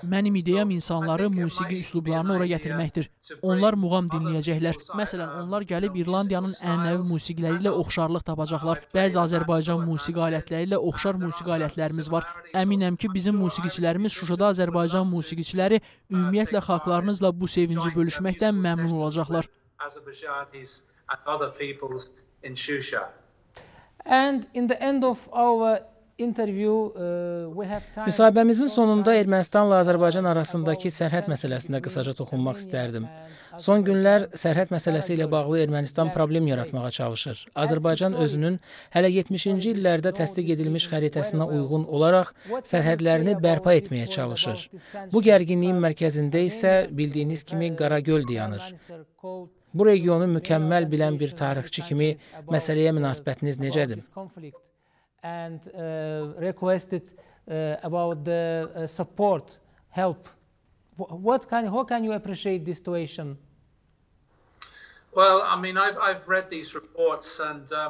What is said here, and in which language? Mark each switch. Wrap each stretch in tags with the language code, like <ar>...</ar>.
<az>Mənim ideyam insanları musiqi üslublarını ora gətirməkdir. Onlar muğam dinləyəcəklər. Məsələn, onlar gəlib İrlandiyanın ənənəvi musiqiləri ilə oxşarlıq tapacaqlar. Bəzi Azərbaycan musiqi alətləri ilə oxşar musiqi alətlərimiz var. Əminəm ki, bizim musiqiçilərimiz Şuşada Azərbaycan musiqiçiləri ümumiyyətlə xalqlarınızla bu sevinci bölüşməkdən məmnun olacaqlar.</az> <en>Azerbaijanis and other people in Shusha. And in the end of our interview, we have time.</en> <az>Müsahibəmizin sonunda Ermənistanla Azərbaycan arasındakı sərhəd məsələsində qısaca toxunmaq istərdim. Son günlər sərhəd məsələsi ilə bağlı Ermənistan problem yaratmağa çalışır. Azərbaycan özünün hələ 70-ci illərdə təsdiq edilmiş xəritəsinə uyğun olaraq sərhədlərini bərpa etməyə çalışır. Bu gərginliyin mərkəzində isə bildiyiniz kimi Qaragöl dayanır. Bu regionu mükəmməl bilən bir tarixçi kimi məsələyə münasibətiniz necədir?</az> <en>And requested about the support, help. How can you appreciate this situation? Well, I mean, I've read these reports and</en>